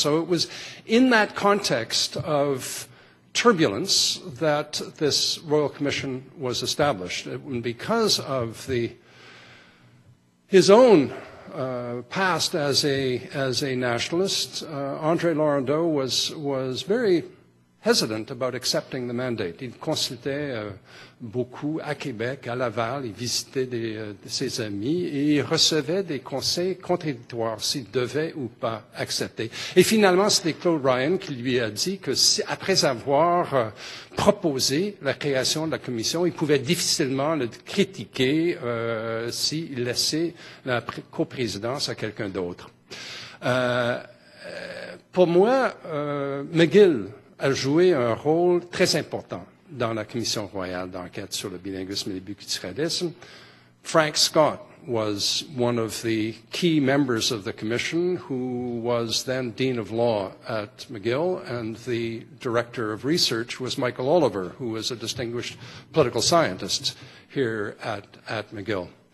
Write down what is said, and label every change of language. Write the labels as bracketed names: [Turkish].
[English] So it was in that context of turbulence that this Royal Commission was established. And because of his own past as a nationalist, André Laurendeau was very hesitant about accepting the mandate. [French] Il consultait beaucoup à Québec, à Laval, il visitait ses amis, et il recevait des conseils contradictoires s'il devait ou pas accepter. Et finalement, c'était Claude Ryan qui lui a dit que si, après avoir proposé la création de la commission, il pouvait difficilement le critiquer s'il laissait la coprésidence à quelqu'un d'autre. Pour moi, McGill a joué un rôle très important dans la commission royale d'enquête sur le bilinguisme et le biculturalisme. [English] Frank Scott was one of the key members of the commission, who was then dean of law at McGill, and the director of research was Michael Oliver, who was a distinguished political scientist here at McGill.